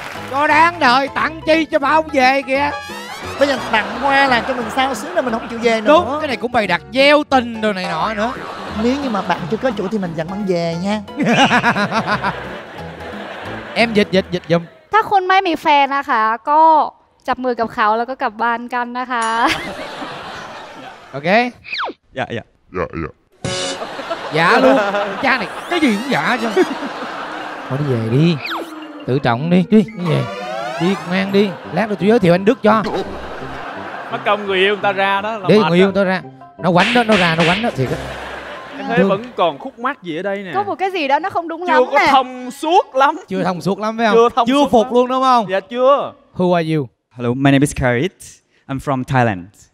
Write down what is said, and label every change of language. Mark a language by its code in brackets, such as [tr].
[vi] Cho đáng đời, tặng chi cho bà không về kìa. Bây giờ tặng qua là cho mình sao xíu là mình không chịu về nữa. Đúng, cái này cũng bày đặt gieo tình rồi này nọ nữa. Nếu như mà bạn chưa có chủ thì mình dẫn bạn về nha. Em dịch giùm. [th] ถ้าคนไม่มีแฟนนะคะก็จับมือกับเขาแล้วก็กลับบ้านกันนะคะ โอเค [vi] Dạ dạ Dạ dạ Dạ luôn. Cha này cái gì cũng dạ chứ. Thôi đi về đi, tự trọng đi, đi về đi, ngoan đi, lát rồi tôi giới thiệu anh Đức cho. Mất công người yêu người ta ra đó là để người yêu người ta ra nó quánh đó, nó ra nó quánh đó thiệt á. Em thấy vẫn còn khúc mắc gì ở đây nè, có một cái gì đó nó không đúng chưa lắm nè, chưa có thông suốt lắm, chưa thông suốt lắm phải không, chưa thông chưa suốt phục lắm. Luôn đúng không? Dạ chưa. [en] Who are you? Hello, my name is Karit, I'm from Thailand.